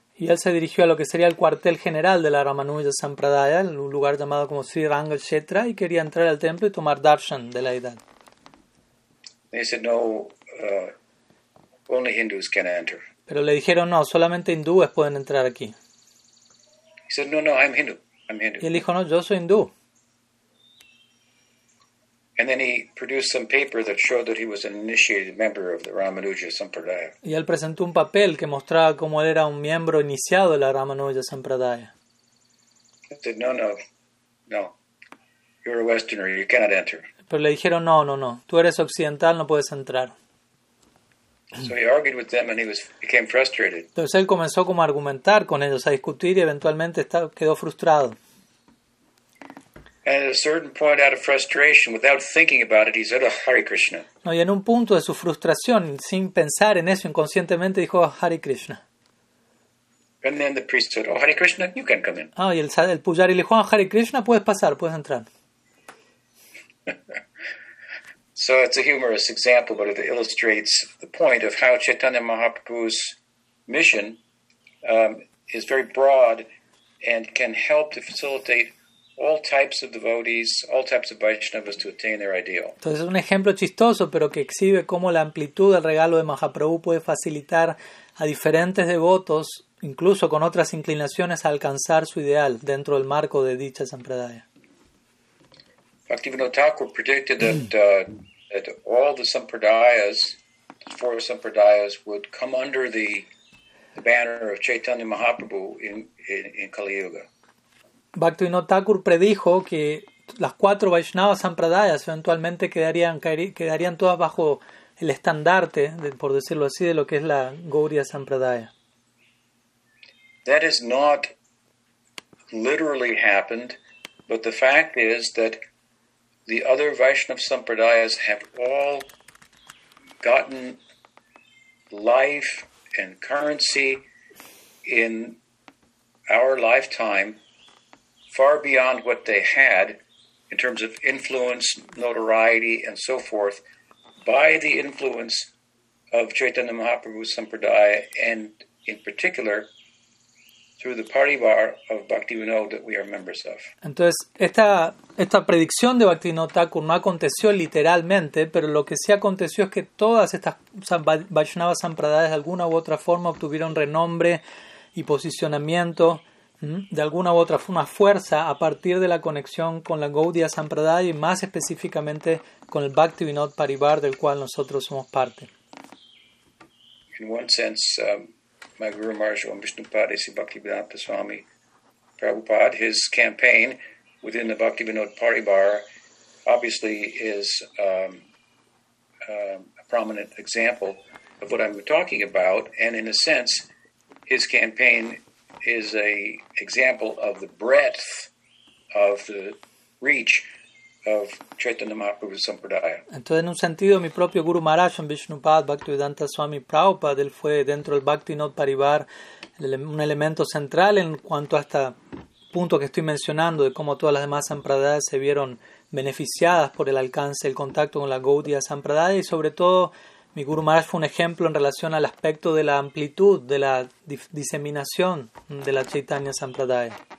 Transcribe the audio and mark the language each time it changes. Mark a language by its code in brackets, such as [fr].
[es] Y él se dirigió a lo que sería el cuartel general de la Ramanuja Sampradaya, un lugar llamado como Sriranga Chaitra, y quería entrar al templo y tomar darshan de la deidad. [en] They said no, only Hindus can enter. [es] Pero le dijeron no, solamente hindúes pueden entrar aquí. [en] He said no, I'm Hindu. [es] Y él dijo no, yo soy hindú. [en] And then he produced some paper that showed that he was an initiated member of the Ramanuja Sampradaya. [es] Y él presentó un papel que mostraba cómo él era un miembro iniciado de la Ramanuja Sampradaya. [en] He said, no, you're a Westerner, you cannot enter. [es] Pero le dijeron, no, tú eres occidental, no puedes entrar. [en] So he argued with them and he became frustrated. [es] Entonces él comenzó como a argumentar con ellos, a discutir y eventualmente quedó frustrado. [en] And at a certain point, out of frustration, without thinking about it, he said, "Oh, Hare Krishna." [es] No, y en un punto de su frustración, sin pensar en eso, inconscientemente dijo, "Oh, Hare Krishna." [en] And then the priest said, "Oh, Hare Krishna, you can come in." [es] Ah, y el pujari le dijo, "Oh, Hare Krishna, puedes pasar, puedes entrar." [en] So it's a humorous example, but it illustrates the point of how Chaitanya Mahaprabhu's mission is very broad and can help to facilitate all types of devotees, all types of Vaishnavas to attain their ideal. [es] Entonces es un ejemplo chistoso, pero que exhibe cómo la amplitud del regalo de Mahaprabhu puede facilitar a diferentes devotos, incluso con otras inclinaciones, a alcanzar su ideal dentro del marco de dicha sampradaya. [en] Bhaktivinoda Thakur predicted that all the sampradayas, the four sampradayas, would come under the banner of Chaitanya Mahaprabhu in Kali Yuga. [es] Bhaktivinoda Thakur predijo que las cuatro Vaishnava sampradayas eventualmente quedarían todas bajo el estandarte, por decirlo así, de lo que es la Gaudiya Sampradaya. [en] That has not literally happened, but the fact is that the other Vaishnava sampradayas have all gotten life and currency in our lifetime far beyond what they had in terms of influence, notoriety, and so forth, by the influence of Chaitanya Mahaprabhu's sampradaya, and in particular through the Parivar of Bhaktivinoda that we are members of. [es] Entonces, esta predicción de Bhaktivinoda Thakur no aconteció literalmente, pero lo que sí aconteció es que todas estas Vaishnava sampradayas de alguna u otra forma obtuvieron renombre y posicionamiento de alguna u otra forma, fuerza, a partir de la conexión con la Gaudiya Sampradaya y más específicamente con el Bhaktivinoda Parivar del cual nosotros somos parte. [en] In one sense, my Guru Maharaj Om Vishnupada Sri Bhaktivinoda Swami Prabhupada, his campaign within the Bhaktivinoda Parivar obviously is a prominent example of what I'm talking about, and in a sense, his campaign is a example of the breadth of the reach of Chaitanya Mahaprabhu's sampradaya. [es] Entonces, en un sentido, mi propio Guru Maharaj, Vishnupad, Bhaktivedanta Swami Prabhupada, él fue dentro del Bhaktivinoda Parivar un elemento central en cuanto a este punto que estoy mencionando de cómo todas las demás sampradayas se vieron beneficiadas por el alcance, el contacto con la Gaudiya Sampradaya, y sobre todo mi Guru Maharaj fue un ejemplo en relación al aspecto de la amplitud, de la diseminación de la Chaitanya Sampradaya.